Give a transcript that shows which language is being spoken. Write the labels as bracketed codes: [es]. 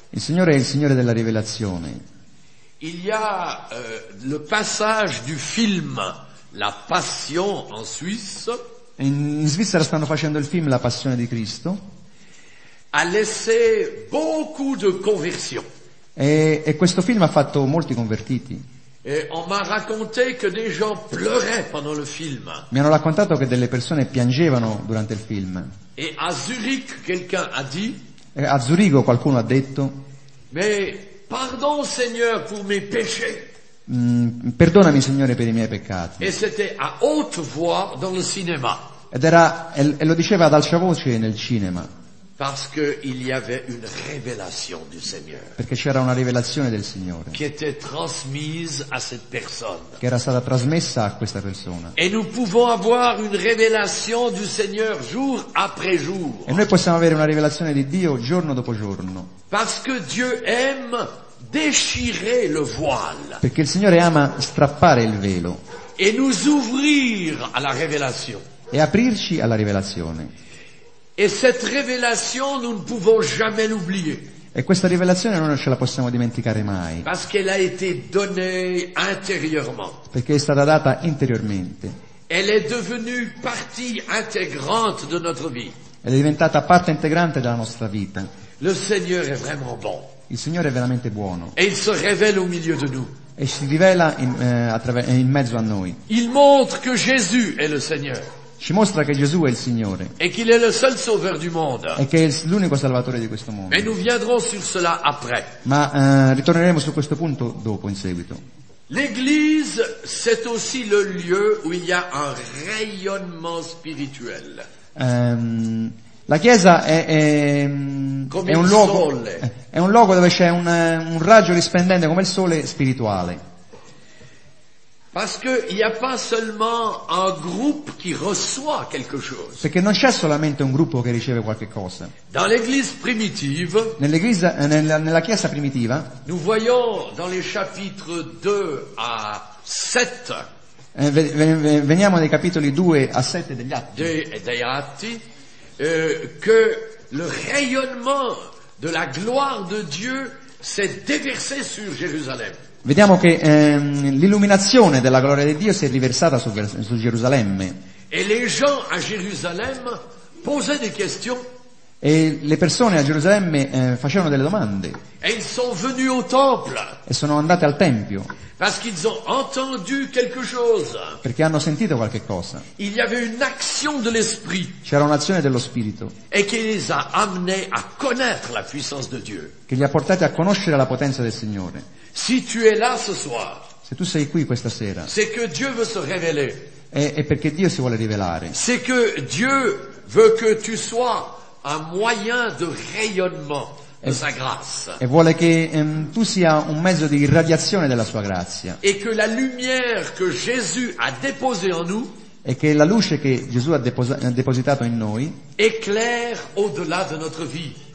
[it] Il Signore è il Signore della rivelazione. [fr] Il y a le passage du film La Passion en Suisse. [it] In Svizzera stanno facendo il film La Passione di Cristo. [fr] Ha laissé beaucoup de conversions. [it] E questo film ha fatto molti convertiti. [fr] Et on m'a raconté que des gens pleuraient pendant le film. [it] Mi hanno raccontato che delle persone piangevano durante il film. [fr] Et à Zurich, quelqu'un a dit. [it] E a Zurigo qualcuno ha detto. [fr] Mais pardon, Seigneur, pour mes péchés. [it] Perdonami, Signore, per i miei peccati. [fr] Et c'était à haute voix dans le cinéma. [it] E lo diceva ad alta voce nel cinema. [fr] Parce qu'il y avait une révélation du Seigneur. [it] Perché c'era una rivelazione del Signore. [fr] Qui était transmise à cette personne. [it] Che era stata trasmessa a questa persona. [fr] Et nous pouvons avoir une révélation du Seigneur jour après jour. [it] E noi possiamo avere una rivelazione di Dio giorno dopo giorno. [fr] Parce que Dieu aime déchirer le voile. [it] Perché il Signore ama strappare il velo. [fr] Et nous ouvrir à la révélation. [it] E aprirci alla rivelazione. [fr] Et cette révélation, nous ne pouvons jamais l'oublier. [it] E questa rivelazione non ce la possiamo dimenticare mai. [fr] Parce qu'elle a été donnée intérieurement. [it] Perché è stata data interiormente. [fr] Elle est devenue partie intégrante de notre vie. [it] Ed è diventata parte integrante della nostra vita. [fr] Le Seigneur est vraiment bon. [it] Il Signore è veramente buono. [fr] Et il se révèle au milieu de nous. [it] E si rivela in mezzo a noi. [fr] Il montre que Jésus est le Seigneur. [it] Ci mostra che Gesù è il Signore. [fr] Et qu'il est le seul sauveur du monde. [it] E che è l'unico salvatore di questo mondo. [fr] Mais nous viendrons sur cela après. [it] Ma ritorneremo su questo punto dopo, in seguito. [fr] L'église, c'est aussi le lieu où il y a un rayonnement spirituel. [it] La chiesa è un luogo dove c'è un raggio risplendente come il sole spirituale. [fr] Parce que il y a pas seulement un groupe qui reçoit quelque chose. [it] Perché non c'è solamente un gruppo che riceve qualche cosa. [fr] Dans l'église primitive. [it] Nella chiesa primitiva. [fr] Nous voyons dans les chapitres 2 à 7. [it] Veniamo dai capitoli 2 a 7 degli Atti. Dei Atti [fr] que le rayonnement de la gloire de Dieu s'est déversé sur Jérusalem. [it] Vediamo che l'illuminazione della gloria di Dio si è riversata su Gerusalemme. [fr] E les gens à Jérusalem posaient des questions. [it] E le persone a Gerusalemme facevano delle domande. [fr] Et ils sont venus au temple. [it] E sono andate al tempio. [fr] Parce qu'ils ont entendu quelque chose. [it] Perché hanno sentito qualche cosa. [fr] Il y avait une action de l'esprit. [it] C'era un'azione dello spirito. [fr] Et qui les a amenés à connaître la puissance de Dieu. [it] Che li ha portati a conoscere la potenza del Signore. [fr] Si tu es là ce soir. [it] Se tu sei qui questa sera. [fr] C'est que Dieu veut se révéler. [it] È perché Dio si vuole rivelare. [fr] C'est que Dieu veut que tu sois un moyen de rayonnement de sa grâce. [it] E vuole che tu sia un mezzo di irradiazione della sua grazia. [fr] Et que la lumière que Jésus a déposée en nous. [it] E che la luce che Gesù ha depositato in noi. [fr] Éclaire au-delà de notre vie.